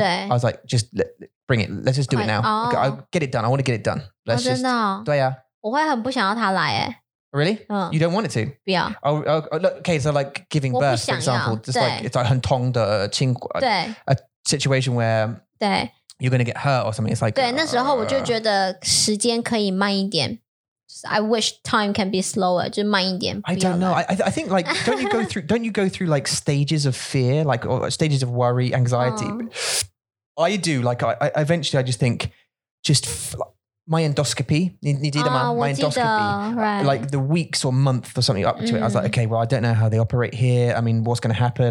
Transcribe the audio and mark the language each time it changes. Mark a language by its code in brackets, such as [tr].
[en] I was like, just bring it. Let's just do it now.、 Okay, I'll get it done. I want to get it done. Let's、 oh, just. [zh] 对啊。我会很不想要他来耶。 [en] Really?、You don't want it to? [zh] 不要。 [en] Okay, so like giving birth, for example. Just like, it's like [zh] 很痛的情况。对。 [en] A situation where [zh] 对 [en] you're going to get hurt or something. It's like, [zh] 对、那时候我就觉得时间可以慢一点。 [en] I wish time can be slower, [zh] 就慢一点。 [en] I don't know. I think like, don't you go through like stages of fear, like or stages of worry, anxiety?、I do. Like I eventually I just think, just my endoscopy, [zh] 你记得吗? [en] My endoscopy,、 right. like the weeks or month or something up to、it. I was like, okay, well, I don't know how they operate here. I mean, what's going to happen?